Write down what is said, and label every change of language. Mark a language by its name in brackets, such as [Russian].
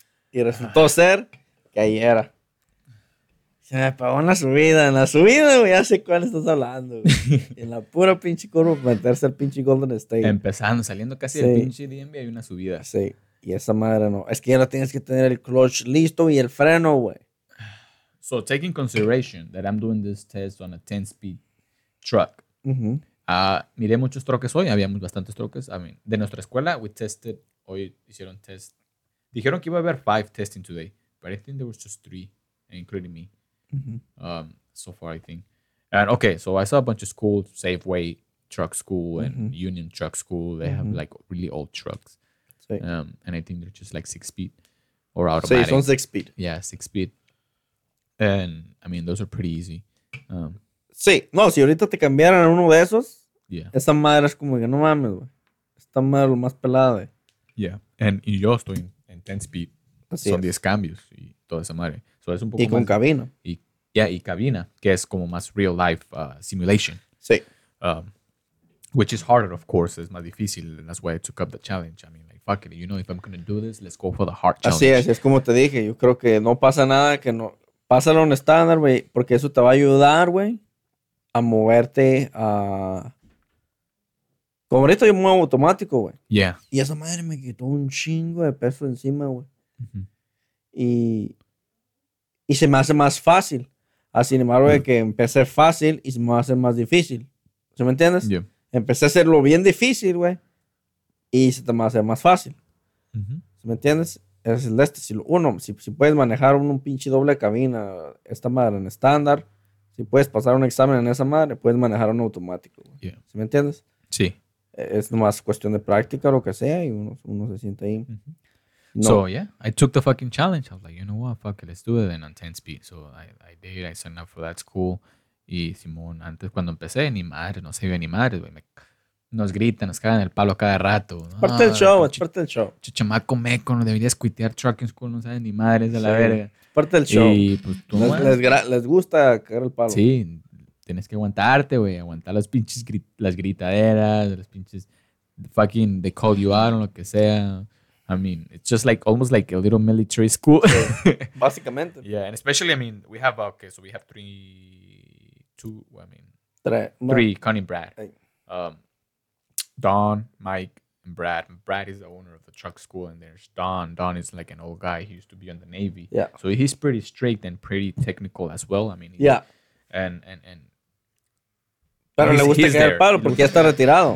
[Spanish] Y resultó ser que ahí era. Se me apagó en la subida, güey, ya sé cuál estás hablando, güey. En la pura pinche curva, meterse al pinche Golden State. Empezando, saliendo casi del pinche DMV, hay una subida. Sí, y esa madre no. Es que ya no tienes que tener el clutch listo y el freno, güey. [English] So, taking consideration that I'm doing this test on a 10-speed truck. Mm-hmm. [Spanish] Miré muchos troques hoy, había bastantes troques. [English] I mean, [Spanish] de nuestra escuela, [English] we tested... [Spanish] Hoy hicieron test. Dijeron que iba a haber 5 [English] testing today. But I think there was just 3, including me. Mm-hmm. So far, I think. And okay, so I saw a bunch of schools. Safeway Truck School and mm-hmm. Union Truck School. They mm-hmm. have like really old trucks. [Spanish] Sí. [English] And I think they're just like 6-speed or automatic. [Spanish] Sí, son 6-speed. [English] Yeah, 6-speed. And I mean, those are pretty easy. [Spanish] Sí, no, si ahorita te cambiaran a uno de esos. [English] Yeah. [Spanish] Esa madre es como que no mames, güey. Esta madre lo más pelada, güey. [English] Yeah, and [Spanish] yo estoy en 10 speed. Así son 10 cambios y toda esa madre. So es un poco y con más, cabina. Y cabina, que es como más [English] real life simulation. [Spanish] Sí. [English] Which is harder, of course. [Spanish] Es más difícil. [English] And that's why I took up the challenge. I mean, like, fuck it. You know, if I'm going to do this, let's go for the hard challenge. [Spanish] Así es como te dije. Yo creo que no pasa nada que no... Pásalo en estándar, güey, porque eso te va a ayudar, güey, a moverte a... Como ahorita yo muevo automático, güey. [English] Yeah. [Spanish] Y esa madre me quitó un chingo de peso encima, güey. Uh-huh. Y se me hace más fácil. Así, sin embargo, uh-huh. que empecé fácil y se me va a hacer más difícil. ¿Sí me entiendes? [English] Yeah. [Spanish] Empecé a hacerlo bien difícil, güey. Y se te va a hacer más fácil. Uh-huh. ¿Sí me entiendes? Es el este. Si puedes manejar un pinche doble cabina, esta madre en estándar. Si puedes pasar un examen en esa madre, puedes manejar un automático, güey. [English] Yeah. [Spanish] ¿Sí me entiendes? Sí. Es nomás cuestión de práctica, lo que sea, y uno se siente ahí. Mm-hmm. No. [English] So, yeah, I took the fucking challenge. I was like, you know what, fuck it, let's do it. And on 10 speed, so I did, I signed up for that school. [Spanish] Y Simón, antes cuando empecé, ni madre, no se vio ni madre, güey. Nos gritan, nos cagan el palo cada rato. Parte del show, es parte del show. Chamaco meco, no deberías cuitear [English] trucking school, [Spanish] no sabes ni madre, es de la verga. Parte del show. Y pues tú, les gusta cagar el palo. Sí. Tienes que aguantarte, güey. Aguantar las pinches las gritaderas, las pinches [English] fucking they call you out [Spanish] o lo que sea. [English] I mean, it's just like almost like a little military school. [Spanish] So, básicamente. Yeah, and especially, I mean, we have, okay, so we have three, Connie, Brad. Don, Mike, and Brad. Brad is the owner of the truck school, and there's Don. Don is like an old guy. He used to be in the Navy. Yeah. So he's pretty strict and pretty technical as well. I mean, yeah. And. Pero le gusta caer el palo porque ya está retirado.